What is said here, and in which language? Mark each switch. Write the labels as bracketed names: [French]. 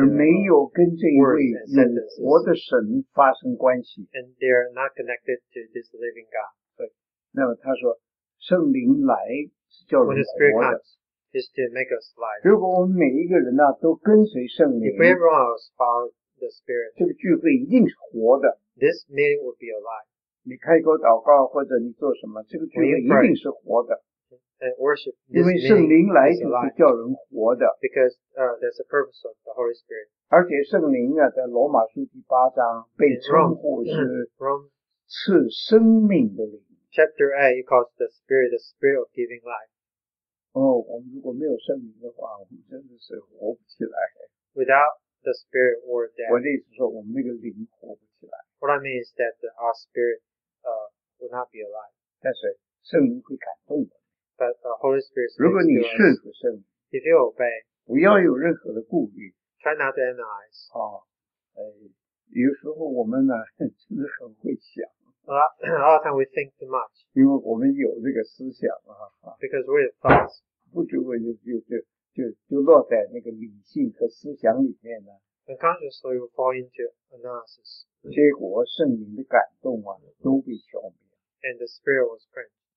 [Chinese] 而没有跟这一位有活的神发生关系。 [English] And they're not connected to this living God. [Chinese] 对。那么他说，圣灵来是叫人活的。 [English] When the Spirit comes, is to make us alive. [Chinese] 如果我们每一个人呢、都跟随圣灵 [English] ，If everyone else follows the Spirit, [Chinese] 这个聚会一定是活的。 [English] This meeting would be alive. [Chinese] 你开口祷告或者你做什么，这个聚会一定是活的。 [English] And worship, [Chinese] 因为圣灵来就是叫人活的。 [English] Because there's a purpose of the Holy Spirit. [Chinese] 而且圣灵啊，在罗马书第八章被称呼是赐生命的灵。 [English] Chapter 8, it calls the Spirit of giving life. [Chinese] 哦，我们如果没有圣灵的话，我们真的是活不起来。 [English] Without the Spirit, we're dead. [Chinese] 我的意思说，我们那个灵活不起来。 [English] What I mean is that our spirit will not be alive. [Chinese] 但是圣灵会感动的。 [English] But the Holy Spirit. [Chinese] 如果你顺服圣灵， [English] if you obey, [Chinese] 不要有任何的顾虑。 [English] Try not to analyze. [Chinese] 啊、有时候我们呢，真的很会想。 [English] A lot of time we think too much. [Chinese] 因为我们有这个思想啊。 [English] Because we have thoughts. [Chinese] 不知不觉就落在那个理性和思想里面呢。 [English] Unconsciously, we fall into analysis. [Chinese] 结果圣灵的感动啊，都被消灭。 [English] And the spirit was quenched.